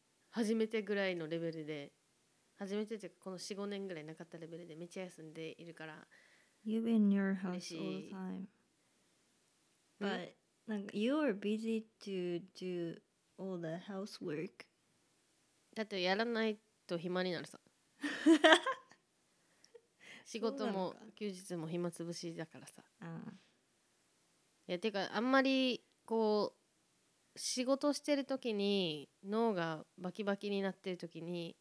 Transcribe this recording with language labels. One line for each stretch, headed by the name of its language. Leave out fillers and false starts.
Japanese: 初めてぐらいのレベルで、初めてというかこの 4,5 年ぐらいなかったレベルでめっちゃ休んでいるから。
English: You've been in your house all the time. But you are busy to do all the housework.
Japanese: だってやらないと暇になるさ。仕事も休日も暇つぶしだからさ。ああ、いやてかあんまりこう仕事してる時に脳がバキバキになってる時に、